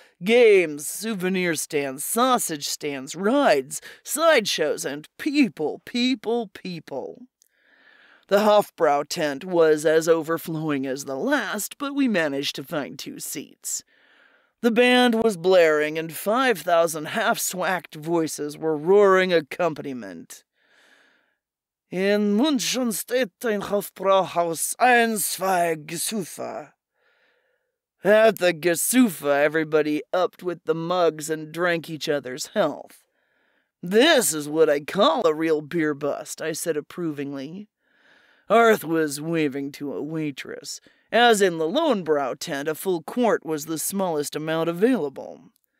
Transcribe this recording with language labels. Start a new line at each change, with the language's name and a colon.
English: Games, souvenir stands, sausage stands, rides, sideshows, and people, people, people. The Hofbräu tent was as overflowing as the last, but we managed to find 2 seats. The band was blaring, and 5,000 half-swacked voices were roaring accompaniment.
German: "In München steht ein Hofbräuhaus, ein, 2 Gesufa."
English: At the Gesufa, everybody upped with the mugs and drank each other's health. "This is what I call a real beer bust," I said approvingly. Arth was waving to a waitress. As in the Lowenbrau tent, a full quart was the smallest amount available.